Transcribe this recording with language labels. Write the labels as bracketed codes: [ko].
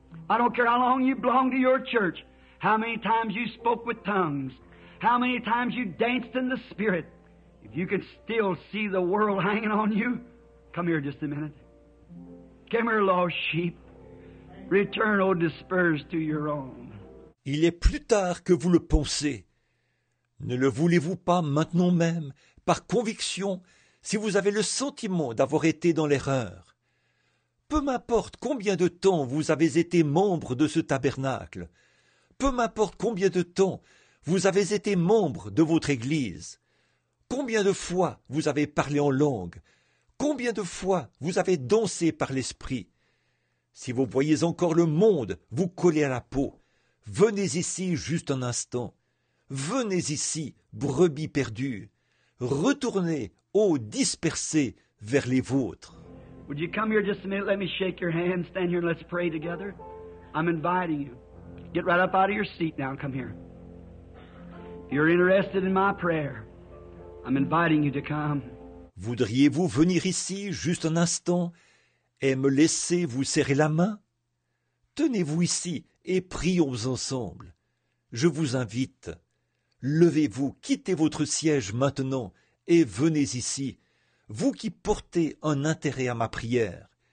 [en] I don't care how long you belong to your church, how many times you spoke with tongues, how many times you danced in the Spirit. If you can still see the world hanging on you, come here just a minute. Come here, lost sheep. Return, O dispersed, to your own. [fr] Il est plus tard que vous le pensez. Ne le voulez-vous pas maintenant même, par conviction, si vous avez le sentiment d'avoir été dans l'erreur? Peu m'importe combien de temps vous avez été membre de ce tabernacle. Peu m'importe combien de temps vous avez été membre de votre Église. Combien de fois vous avez parlé en langue. Combien de fois vous avez dansé par l'Esprit. Si vous voyez encore le monde vous coller à la peau, venez ici juste un instant. Venez ici, brebis perdues. Retournez, ô dispersés, vers les vôtres. [en] Would you come here just a minute? Let me shake your hand. Stand here and let's pray together. I'm inviting you. Get right up out of your seat now and come here. If you're interested in my prayer, I'm inviting you to come. [fr] Voudriez-vous venir ici juste un instant et me laisser vous serrer la main? Tenez-vous ici et prions ensemble. Je vous invite. Levez-vous, quittez votre siège maintenant et venez ici, vous qui portez un intérêt à ma prière.